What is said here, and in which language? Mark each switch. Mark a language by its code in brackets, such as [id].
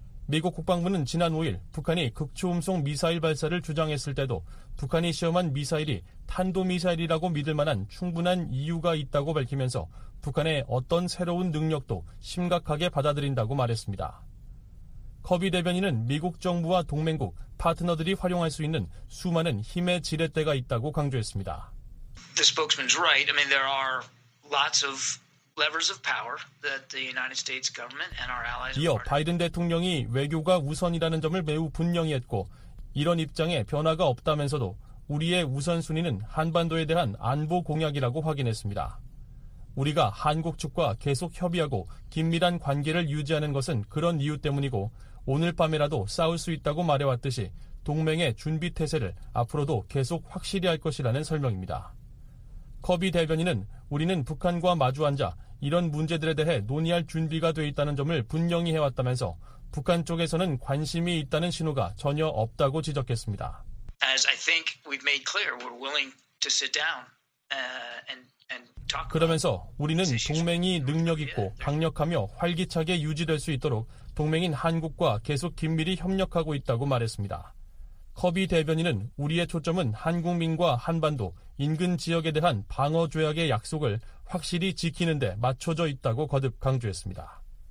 [ko] 미국 국방부는 지난 5일 북한이 극초음속 미사일 발사를 주장했을 때도 북한이 시험한 미사일이 탄도미사일이라고 믿을 만한 충분한 이유가 있다고 밝히면서 북한의 어떤 새로운 능력도 심각하게 받아들인다고 말했습니다. 커비 대변인은 미국 정부와 동맹국, 파트너들이 활용할 수 있는 수많은 힘의 지렛대가 있다고 강조했습니다. [en] The spokesman's right. I mean, there are lots of levers of power that the United States government and our allies. [ko] 이어 바이든 대통령이 외교가 우선이라는 점을 매우 분명히 했고 이런 입장에 변화가 없다면서도 우리의 우선순위는 한반도에 대한 안보 공약이라고 확인했습니다. 우리가 한국 측과 계속 협의하고 긴밀한 관계를 유지하는 것은 그런 이유 때문이고 오늘 밤이라도 싸울 수 있다고 말해왔듯이 동맹의 준비 태세를 앞으로도 계속 확실히 할 것이라는 설명입니다. 커비 대변인은 우리는 북한과 마주앉아 이런 문제들에 대해 논의할 준비가 돼 있다는 점을 분명히 해왔다면서 북한 쪽에서는 관심이 있다는 신호가 전혀 없다고 지적했습니다. [en] As I think we've made clear, we're willing to sit down and talk. [ko] 그러면서 우리는 동맹이 능력 있고 강력하며 활기차게 유지될 수 있도록 동맹인 한국과 계속 긴밀히 협력하고 있다고 말했습니다. 커비 대변인은 우리의 초점은 한국민과 한반도 인근 지역에 대한 방어 조약의 약속을 확실히 지키는 데 맞춰져 있다고 거듭 강조했습니다.